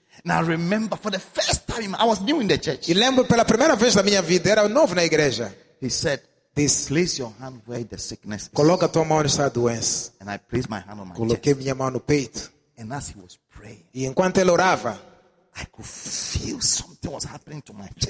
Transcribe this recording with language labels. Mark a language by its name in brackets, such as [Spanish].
[English] Now remember for the first time I was new in the church. [Portuguese] Eu lembro pela primeira vez da minha vida, era novo na igreja. [English] He said, "This place your hand where the sickness is." [Portuguese] Coloca tua mão onde está a doença. [English] And I placed my hand on my chest. [Portuguese] Coloquei minha mão no peito. [English] And as he was praying, [Portuguese] e enquanto ele orava, [English] I could feel something was happening to my chest.